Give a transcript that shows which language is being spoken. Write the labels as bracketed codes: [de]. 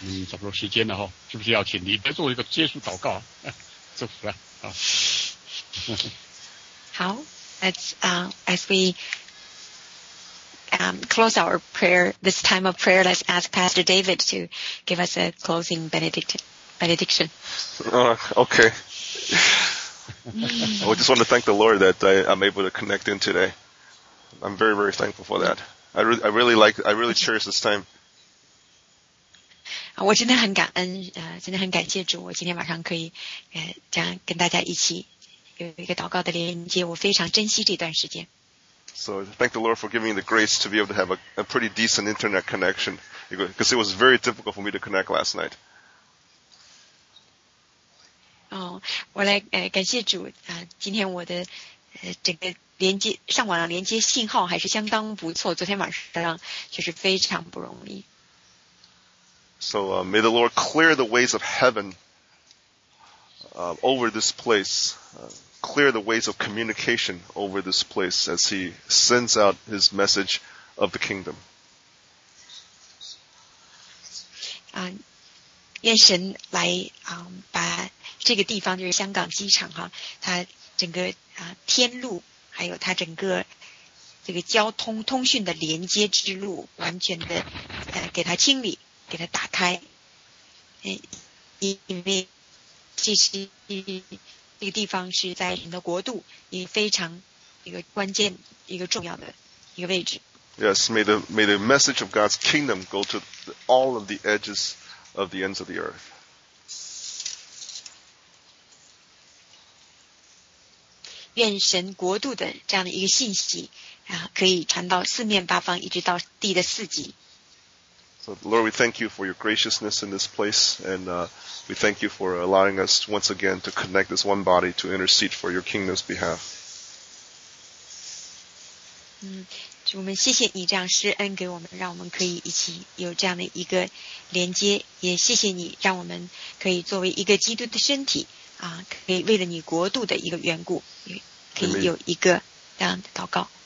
[zh] 差不多时间了是不是要请你来做一个结束祷告祝福了 [en] 好 as we close our prayer this time of prayer, let's ask Pastor David to give us a closing benediction. Okay. I just want to thank the Lord that I'm able to connect in today. I'm very, very thankful for that. I really cherish this time. [zh] 我真的很感恩真的很感谢主，我今天晚上可以这样跟大家一起有一个祷告的连接，我非常珍惜这段时间。 [en] So, thank the Lord for giving me the grace to be able to have a pretty decent internet connection, because it was very difficult for me to connect last night. [zh] 我来感谢主今天我的整个连接上网的连接信号还是相当不错，昨天晚上就是非常不容易。 [en] So, may the Lord clear the ways of heaven, over this place, clear the ways of communication over this place as he sends out his message of the kingdom. [zh] 愿神来把这个地方就是香港机场哈，它整个天路还有它整个这个交通通讯的连接之路完全的给它清理给它打开，因为这是这个地方是在人的国度，一个非常一个关键一个重要的一个位置。 [en] Yes, may the message of God's kingdom go to all of the edges of the ends of the earth. [zh] 愿神国度的这样的一个信息可以传到四面八方，一直到地的四极。 [en] So, Lord, we thank you for your graciousness in this place, and we thank you for allowing us once again to connect this one body to intercede for your kingdom's behalf. [zh] 主，我们谢谢你这样施恩给我们，让我们可以一起有这样的一个连接，也谢谢你让我们可以作为一个基督的身体可以为了你国度的一个缘故，可以有一个这样的祷告。